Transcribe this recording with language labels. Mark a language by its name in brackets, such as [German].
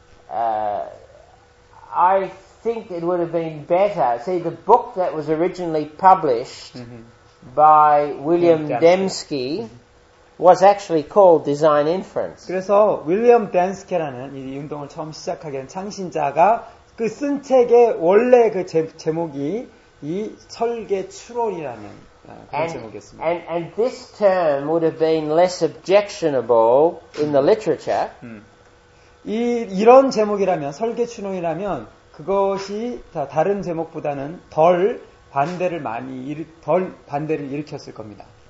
[English] I think it would have been better. See, the book that was originally published by William Dembski was actually called Design Inference. [Korean] 그래서 William Dembski라는 이 운동을 처음 시작하게 된 창신자가 그 쓴 책의 원래 그 제목이 이 설계 추론이라는 그런 제목이었습니다. [English] And this term would have been less objectionable in the literature. [Korean] 이런 제목이라면 설계 추론이라면 그것이 다른 제목보다는 덜 반대를 많이 덜 반대를 일으켰을 겁니다.